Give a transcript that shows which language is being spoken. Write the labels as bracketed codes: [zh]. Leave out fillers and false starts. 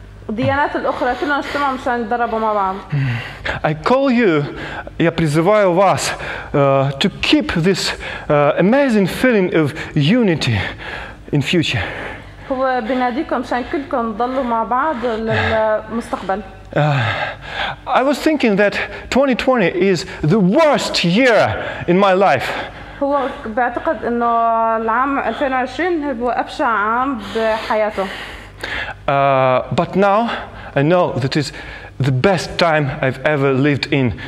[ar] ديانات الأخرى كلهم اجتمعوا مشان يتدربوا مع بعض. [en] I call you, [ru] я призываю вас, [en] to keep this amazing feeling of unity in future. [ar] هو بناديكم مشان كلكم تضلوا مع بعض للمستقبل. [en] I was thinking that 2020 is the worst year in my life. [ar] هو بعتقد إنه العام 2020 هو أبشع عام بحياته. [en] But now I know that is the best time I've ever lived in.